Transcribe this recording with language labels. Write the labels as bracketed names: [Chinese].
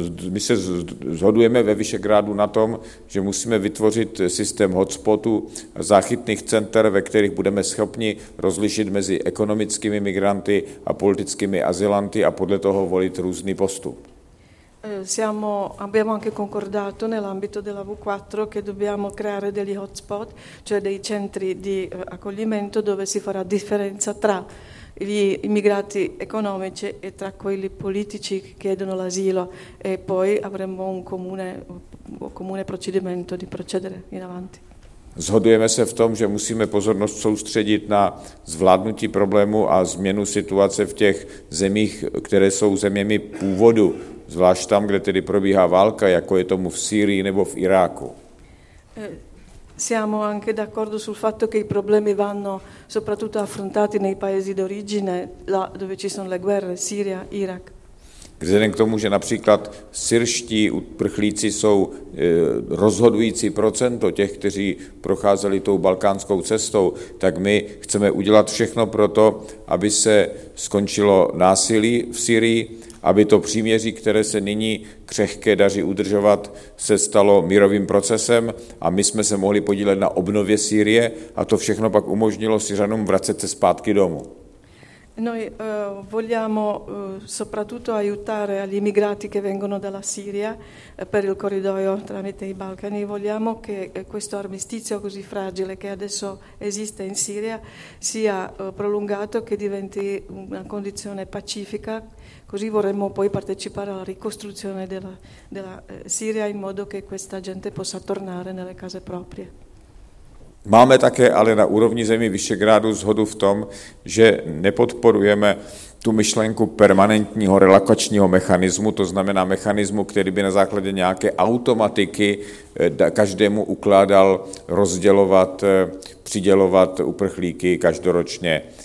[Czech] My se zhodujeme ve Vyšegrádu na tom, že musíme vytvořit systém hotspotů, záchytných center, ve kterých budeme schopni rozlišit mezi ekonomickými migranty a politickými azylanty a podle toho volit různý postup. [Italian] Siamo, abbiamo anche concordato nell'ambito della V4 che dobbiamo creare degli hotspot, cioè dei centri di accoglimento dove si farà differenza tra gli immigrati economici e tra quelli politici che chiedono l'asilo e poi avremo un comune procedimento di procedere in avanti. [Czech] Zhodujeme se v tom, že musíme pozornost soustředit na zvládnutí problému a změnu situace v těch zemích, které jsou zeměmi původu, zvlášť tam, kde tedy probíhá válka, jako je tomu v Sýrii nebo v Iráku. [Italian] Siamo anche d'accordo sul fatto che i problemi vanno soprattutto affrontati nei paesi d'origine, là dove ci sono le guerre, Siria, Iraq. Vzhledem k tomu, že například syrští uprchlíci jsou rozhodující procento těch, kteří procházeli tou balkánskou cestou, tak my chceme udělat všechno pro to, aby se skončilo násilí v Syrii, aby to příměří, které se nyní křehké daří udržovat, se stalo mírovým procesem a my jsme se mohli podílet na obnově Sýrie a to všechno pak umožnilo Syřanům vracet se zpátky domů. Noi vogliamo soprattutto aiutare gli immigrati che vengono dalla Siria per il corridoio tramite i Balcani. Vogliamo che questo armistizio così fragile che adesso esiste in Siria sia prolungato, che diventi una condizione pacifica. Così vorremmo poi partecipare alla ricostruzione della Siria in modo che questa gente possa tornare nelle case proprie. [Czech] Máme také ale na úrovni zemí Vyšegrádu shodu v tom, že nepodporujeme tu myšlenku permanentního relokačního mechanismu, to znamená mechanismu, který by na základě nějaké automatiky každému ukládal rozdělovat, přidělovat uprchlíky každoročně.